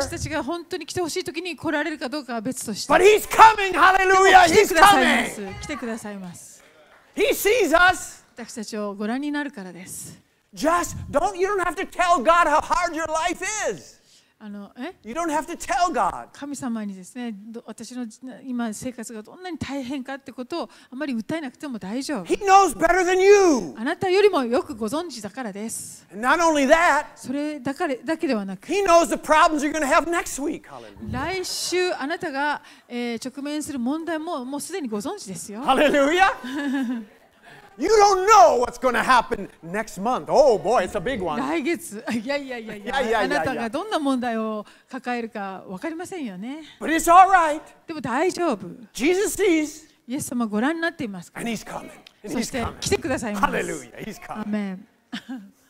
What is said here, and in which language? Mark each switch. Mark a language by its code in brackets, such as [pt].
[ja] 私たちが本当に来てほしい時に来られるかどうかは別として。 [en] But he's coming. Hallelujah. He's coming. [ja] 来てくださいます。 [en] He sees us. [ja] 私たちをご覧になるからです。 [en] Just don't. You don't have to tell God how hard your life is. You don't have to tell God. [ja] 神様にですね、私の今生活がどんなに大変かってことをあまり訴えなくても大丈夫。 [en] He knows better than you. [ja] あなたよりもよくご存知だからです。 [en] Not only that. [ja] それだからだけではなく。 [en] He knows the problems you're going to have next week. [ja] 来週あなたが直面する問題ももうすでにご存知ですよ。 [en] Hallelujah. You don't know what's going to happen next month. Oh boy, it's a big one. [ja] 来月、あなたがどんな問題を抱えるか分かりませんよね。 [en] But it's all right. [ja] でも大丈夫。 [en] Jesus sees. [ja] イエス様ご覧になっていますか。 [en] And he's coming. [ja] そして来てくださいます。 [en] Hallelujah. He's coming. Amen.